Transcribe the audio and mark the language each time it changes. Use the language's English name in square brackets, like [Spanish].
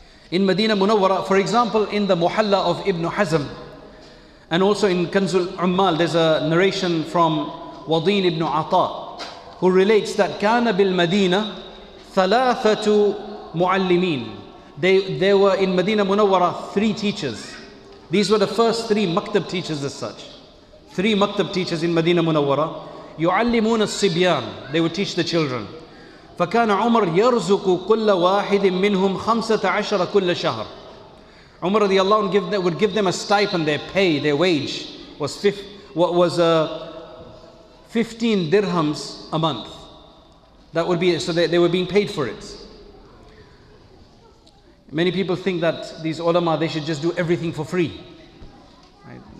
[English] In Medina Munawwara, for example, in the Muhalla of Ibn Hazm, and also in Kanzul Ummal, there's a narration from Wadin ibn Ata, who relates that [Arabic] Kana bil Medina thalathatu muallimin. [English] There were in Medina Munawwara three teachers. These were the first three maktab teachers as such. Three maktab teachers in Medina Munawwara. [Arabic] يعلمون الصبيان. [English] They would teach the children. [Arabic] فكان عمر يرزق كل واحد منهم خمسة عشر كل شهر. [English] Umar radiallahu anhu would give them a stipend. Their pay, their wage was 15 dirhams a month. That would be it. So they were being paid for it. Many people think that these ulama, they should just do everything for free. Right?